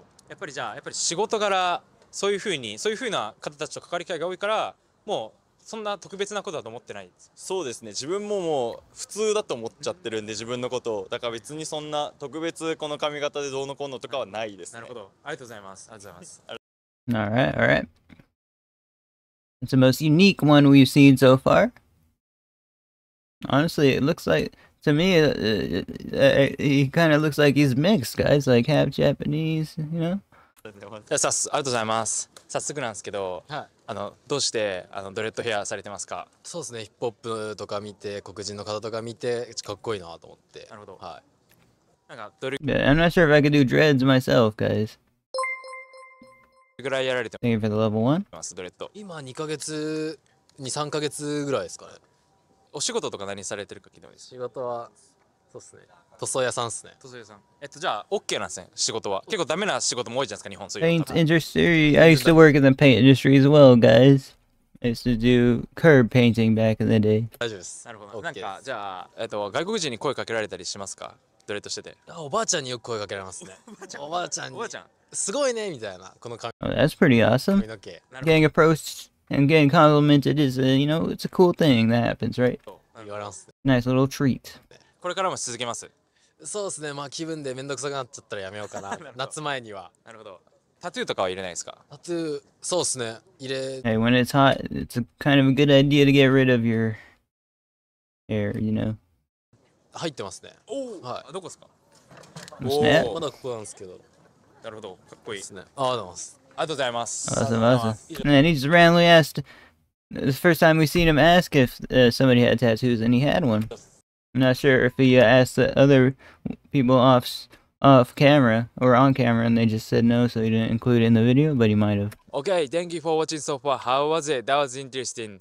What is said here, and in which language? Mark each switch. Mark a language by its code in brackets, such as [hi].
[ja] やっぱりじゃあ、やっぱり仕事柄、そういうふうに、そういうふうな方たちと関わり合いが多いから、もうそんな特別なことだと思ってない。そうですね、自分ももう普通だと思っちゃってるんで、自分のことを。だから別にそんな特別この髪型でどうのこうのとかはないですね。なるほど、ありがとうございます。ありがとうございます。 [en] alright, alright. It's the most unique one we've seen so far. Honestly, it looks like... To me, he kind of looks like he's mixed, guys, like half Japanese, you know? Yeah, thanks. [ja] ありがとうございます。早速なんですけど、はい、あのどうしてあのドレッドヘアされてますか？そうですね、ヒップホップとか見て、黒人の方とか見て、かっこいいなと思って。なるほど。はい。なんかどれ [en] Yeah, I'm not sure if I could do dreads myself, guys. [ja] どれぐらいやられてます? [en] Thank you for the level 1. [ja] ます、ドレッド。今2ヶ月、2、3ヶ月ぐらいですかね。お仕事とか何されてるか聞いてもいいですか？仕事は、そうっすね。塗装屋さんっすね。塗装屋さん。じゃあ、OK なんですね、仕事は。結構ダメな仕事も多いじゃないですか、日本そういう。 [en] Paint industry. I used to work in the paint industry as well, guys. I used to do curb painting back in the day. [ja] 大丈夫です。なるほど。なんか、じゃあ、外国人に声かけられたりしますか？ドレッドしてて。おばあちゃんによく声かけられますね。おばあちゃんに。おばあちゃん。すごいね、みたいな。この髪。 [en] That's pretty awesome. [ja] 髪の毛。 [en] Gang approach. And getting complimented is, you know, it's a cool thing that happens, right? Nice little treat. [ja] これからも続けます。そうですね。まあ気分でめんどくさくなっちゃったらやめようかな。夏前には。なるほど。タトゥーとかは入れないですか？タトゥー、そうですね。入れ。 [en] Hey, when it's hot, it's a kind of a good idea to get rid of your hair, you know. [ja] 入ってますね。おお。はい。どこですか？おお。まだここなんですけど。なるほど。かっこいいですね。ありがとうございます。 [en] Awesome, awesome. And he just randomly asked, the first time we've seen him ask if、somebody had tattoos, and he had one. I'm not sure if he asked the other people off off camera or on camera, and they just said no, so he didn't include it in the video, but he might have. Okay, thank you for watching so far. How was it? That was interesting.